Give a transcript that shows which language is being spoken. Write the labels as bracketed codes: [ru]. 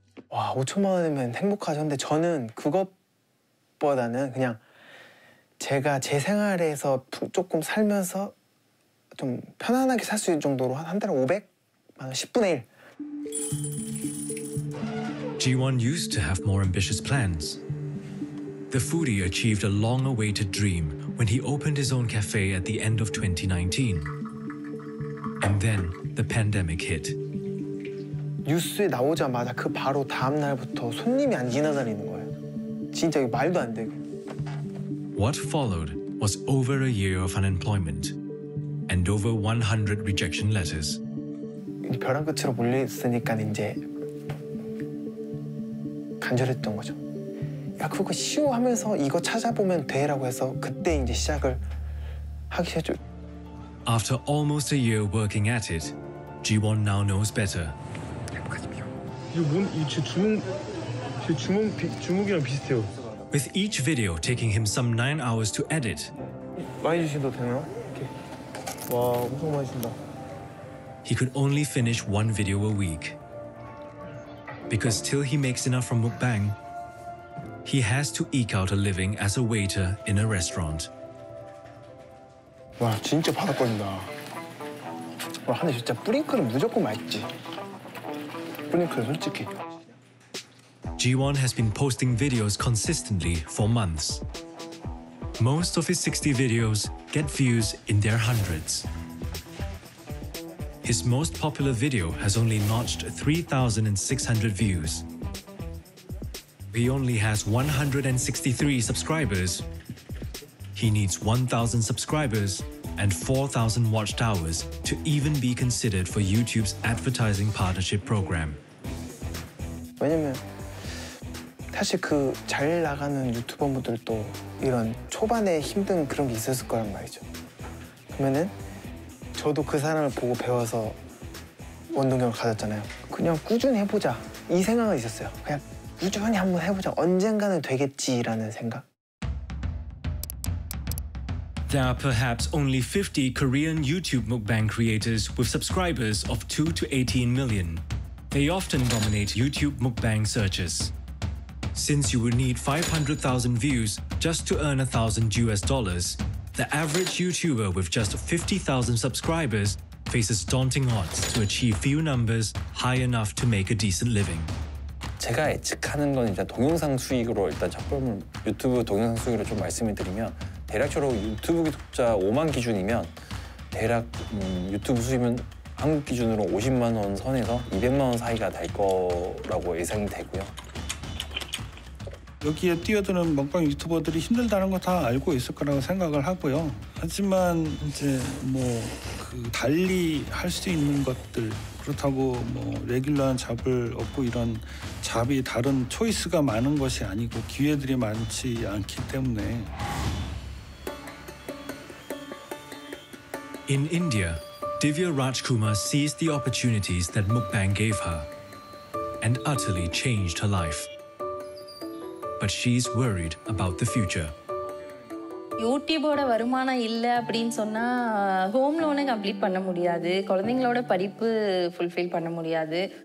[ko] 와, 5천만 원이면 행복하셨는데 저는 그것보다는 그냥 제가 제 생활에서 조금 살면서 좀 편안하게 살 수 있는 정도로 한 달에 500만 원, 10분의 1. [en] G1 used to have more ambitious plans. The foodie achieved a long-awaited dream when he opened his own cafe at the end of 2019. And then the pandemic hit. [ko] 뉴스에 나오자마자 그 바로 다음 날부터 손님이 안 지나다니는 거예요. 진짜 이거 말도 안 되고. [en] What followed was over a year of unemployment and over 100 rejection letters. [ko] 벼랑 끝으로 몰렸으니까 이제 간절했던 거죠. 야, 그거 쉬워 하면서 이거 찾아보면 돼라고 해서 그때 이제 시작을 하기 시작. [en] After almost a year working at it, G1 now knows better. [ko] 주먹이랑 비슷해요. [en] With each video taking him some 9 hours to edit. [ko] 많이 주셔도 되나요? 이렇게. 와, 엄청 많이 준다. [en] He could only finish one video a week. Because till he makes enough from Mukbang, he has to eke out a living as a waiter in a restaurant. [ko] 와, 진짜 바닥거린다. 와, 근데 진짜 뿌링클은 무조건 맛있지. 뿌링클 솔직히. [en] G1 has been posting videos consistently for months. Most of his 60 videos get views in their hundreds. His most popular video has only notched 3,600 views. He only has 163 subscribers. He needs 1,000 subscribers and 4,000 watched hours to even be considered for YouTube's advertising partnership program. [ko] 왜냐면 사실 그 잘 나가는 유튜버분들도 이런 초반에 힘든 그런 게 있었을 거란 말이죠. 그러면은 저도 그 사람을 보고 배워서 원동력을 가졌잖아요. 그냥 꾸준히 해보자. 이 생각은 있었어요. 그냥 꾸준히 한번 해보자. 언젠가는 되겠지라는 생각. [en] There are perhaps only 50 Korean YouTube mukbang creators with subscribers of 2 to 18 million. They often dominate YouTube mukbang searches. Since you would need 500,000 views just to earn $1,000, the average YouTuber with just 50,000 subscribers faces daunting odds to achieve few numbers high enough to make a decent living. [ko] 제가 예측하는 건 이제 동영상 수익으로 일단 첫 번째 유튜브 동영상 수익으로 좀 말씀을 드리면 대략적으로 유튜브 구독자 5만 기준이면 대략 유튜브 수입은 한국 기준으로 50만 원 선에서 200만 원 사이가 될 거라고 예상이 되고요. 여기에 뛰어드는 먹방 유튜버들이 힘들다는 거 다 알고 있을 거라고 생각을 하고요. 하지만 이제 뭐 그 달리 할 수 있는 것들 그렇다고 뭐 레귤러한 잡을 얻고 이런 잡이 다른 초이스가 많은 것이 아니고 기회들이 많지 않기 때문에. [en] In India, Divya Rajkumar seized the opportunities that mukbang gave her and utterly changed her life. But she's worried about the future. [ta] YouTube-ஓட வருமானம் இல்ல அப்படினு சொன்னா home லோனை complete பண்ண முடியாது. குழந்தைகளோட படிப்பு fulfil பண்ண முடியாது.